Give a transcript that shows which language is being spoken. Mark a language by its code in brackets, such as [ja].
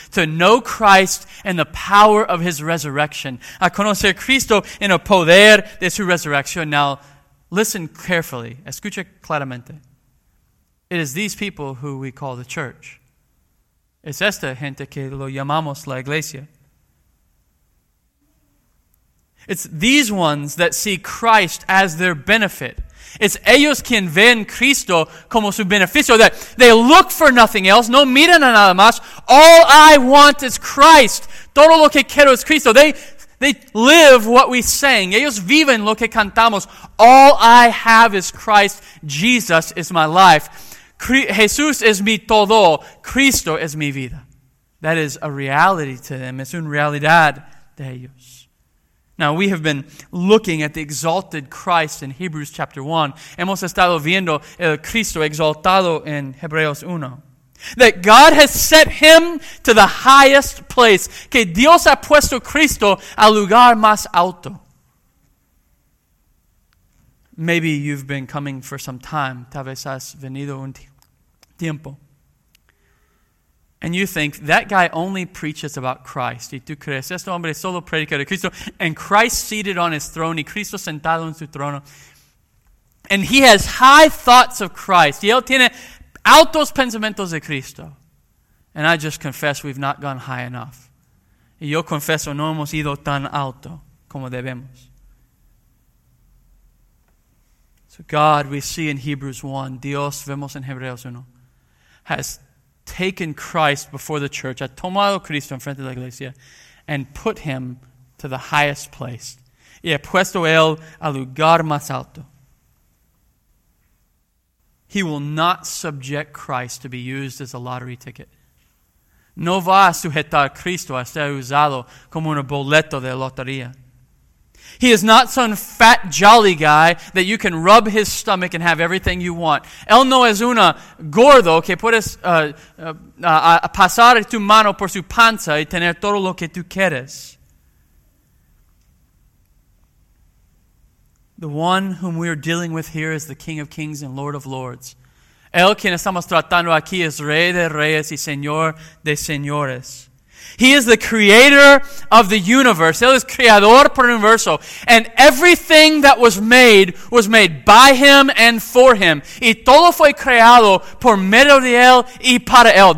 [en] To know Christ and the power of His resurrection. [es] A conocer Cristo en el poder de su resurrección. [en] Now, listen carefully. [es] Escucha claramente. [en] It is these people who we call the church. Es esta gente que lo llamamos la iglesia. It's these ones that see Christ as their benefit. It's [es] ellos quien ven Cristo como su beneficio, [en] that they look for nothing else, [es] no miran a nada más. [en] All I want is Christ. [es] Todo lo que quiero es Cristo. [en] They live what we sang. [es] Ellos viven lo que cantamos. [en] All I have is Christ. Jesus is my life. [es] Jesús es mi todo. Cristo es mi vida. [en] That is a reality to them. [es] Es una realidad de ellos. [en] Now, we have been looking at the exalted Christ in Hebrews chapter 1. [es] Hemos estado viendo el Cristo exaltado en Hebreos 1. [en] That God has set Him to the highest place. [es] Que Dios ha puesto Cristo al lugar más alto. [en] Maybe you've been coming for some time. [es] Tal vez has venido un tiempo. [en] And you think, that guy only preaches about Christ. [es] Y tú crees, este hombre solo predica de Cristo. [en] And Christ seated on His throne. [es] Y Cristo sentado en su trono. [en] And he has high thoughts of Christ. [es] Y él tiene altos pensamientos de Cristo. [en] And I just confess, we've not gone high enough. [es] Y yo confieso, no hemos ido tan alto como debemos. [en] So God, we see in Hebrews 1, [es] Dios, vemos en Hebreos 1, [en] has taken Christ before the church, [es] ha tomado Cristo en frente de la iglesia, [en] and put Him to the highest place. [es] Y ha puesto Él al lugar más alto. [en] He will not subject Christ to be used as a lottery ticket. [es] No va a sujetar Cristo a ser usado como un boleto de lotería. [en] He is not some fat, jolly guy that you can rub his stomach and have everything you want. [es] Él no es un gordo que puedes pasar tu mano por su panza y tener todo lo que tú quieres. [en] The one whom we are dealing with here is the King of Kings and Lord of Lords. [es] Él quien estamos tratando aquí es Rey de Reyes y Señor de Señores. [en] He is the creator of the universe. [es] Él es creador por universo. [en] And everything that was made by Him and for Him. [es] Y todo fue creado por medio de Él y para Él.